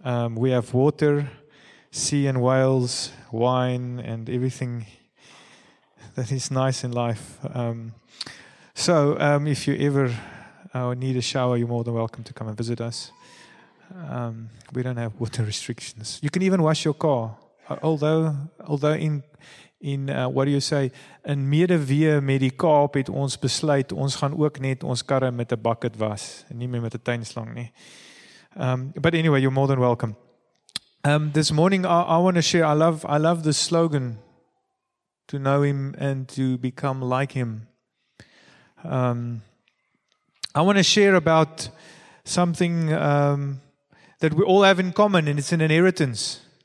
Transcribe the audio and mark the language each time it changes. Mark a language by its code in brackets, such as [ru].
[en] We have water, sea and whales, wine, and everything that is nice in life. If you ever need a shower, you're more than welcome to come and visit us. We don't have water restrictions. You can even wash your car. [af] Although in Medeweë met die Kaap het ons besluit, ons gaan ook net ons karre met 'n bucket was, nie meer met 'n tuinslang nie. [en] But anyway, you're more than welcome. This morning, I want to share, I love the slogan, to know him and to become like him. I want to share about something that we all have in common, and it's an inheritance.